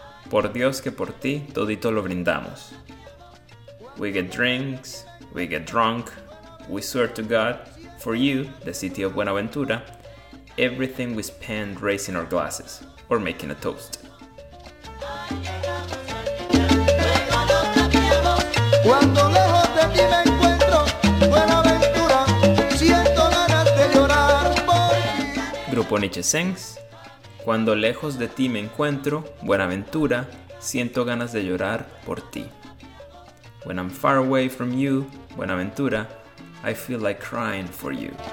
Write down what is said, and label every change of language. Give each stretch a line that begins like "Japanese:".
Spanish: Por Dios que por ti todito lo brindamos.
English: We get drinks, we get drunk, we swear to God, for you, the city of Buenaventura, everything we spend raising our glasses or making a toast.
Spanish: Cuando lejos de ti me encuentro, Buenaventura, siento ganas de llorar por ti.
English: Grupo Nietzsche sings.
Spanish: Cuando lejos de ti me encuentro, Buenaventura, siento ganas de llorar por ti.
English: When I'm far away from you, Buenaventura, I feel like crying for you.